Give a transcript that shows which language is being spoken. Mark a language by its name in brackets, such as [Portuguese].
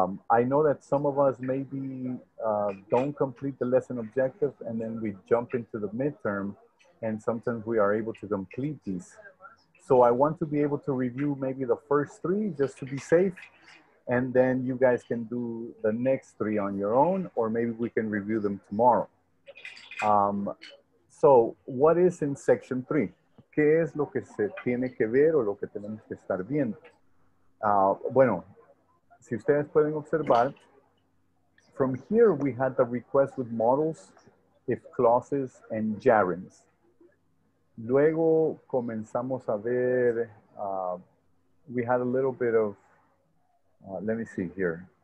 [English] I know that some of us maybe don't complete the lesson objective and then we jump into the midterm and sometimes we are able to complete these. So I want to be able to review maybe the first three just to be safe. And then you guys can do the next three on your own, or maybe we can review them tomorrow. So what is in section three? [Spanish] ¿Qué es lo que se tiene que ver o lo que tenemos que estar viendo? Bueno, si ustedes pueden observar, [English] from here we had the request with models, if clauses, and gerunds. [Spanish] Luego comenzamos a ver, [English] we had a little bit of, let me see here.